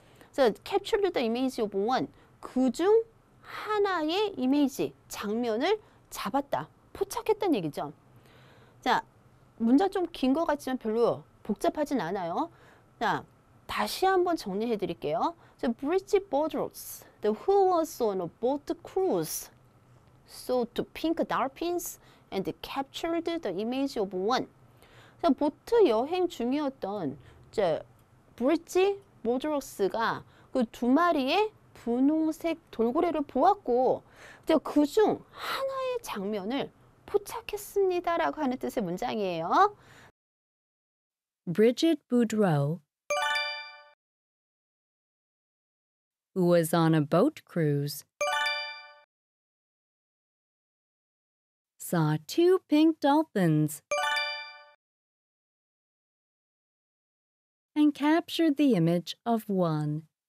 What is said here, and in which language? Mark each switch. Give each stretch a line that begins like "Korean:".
English: 자 captured the image of one.
Korean: 그중 하나의 이미지 장면을 잡았다. 포착했다는 얘기죠. 자 문장 좀 긴 것 같지만 별로 복잡하진 않아요. 자 다시 한번 정리해 드릴게요.
English: 자 Bridget Bordros, the who was on a boat cruise, saw two pink dolphins and captured the image of one.
Korean: 자, 보트 여행 중이었던 이제 브릿지 모드록스가 그 두 마리의 분홍색 돌고래를 보았고 이제 그중 하나의 장면을 포착했습니다 라고 하는 뜻의 문장이에요.
English: Bridget Boudreau, who was on a boat cruise, saw two pink dolphins and captured the image of one.